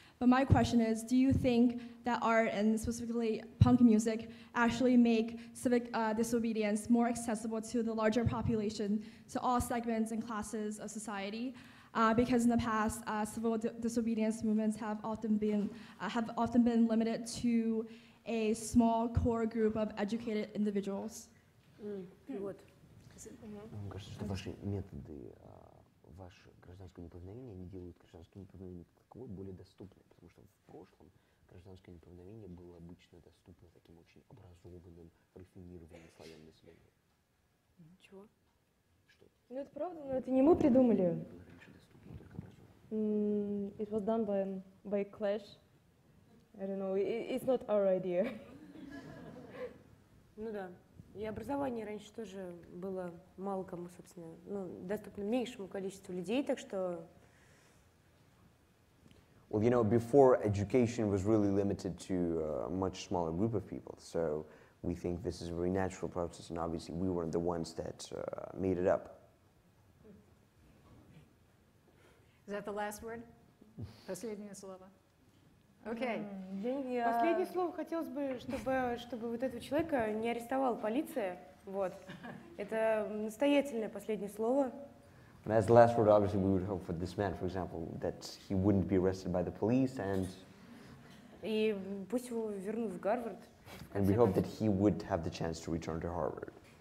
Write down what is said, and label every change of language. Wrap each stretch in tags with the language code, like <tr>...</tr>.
<en>But my question is, do you think that art, and specifically punk music, actually make civic disobedience more accessible to the larger population, to all segments and classes of society? Because in the past, civil disobedience movements have often been limited to a small core group of educated individuals.</en> <ru>Вот. Мне кажется, что ваши методы, ваше гражданское неповиновение, они делают гражданское неповиновение такое более доступное, потому что в прошлом гражданское неповиновение было обычно доступно таким очень образованным, рафинированным слоям населения. Ничего. Что? Ну это правда, но это не мы придумали.</ru> <en>It was done by clash. I don't know, it's not our idea.</en> <ru>Ну да. И образование раньше тоже было мало кому, собственно, ну, доступно меньшему количеству людей, так что...</ru> <en>Well, you know, before education was really limited to a much smaller group of people, so we think this is a very natural process, and obviously we weren't the ones that made it up. Is that the last word?</en> <ru>Последнее слово. Окей. Последнее слово хотелось бы, чтобы вот этого человека не арестовала полиция. Вот. Это настоятельное последнее слово.</ru> <en>And as the last word, obviously, we would hope for this man, for example, that he wouldn't be arrested by the police and...</en> <ru>И пусть его вернут в Гарвард.</ru> <en>And we hope that he would have the chance to return to Harvard.</en>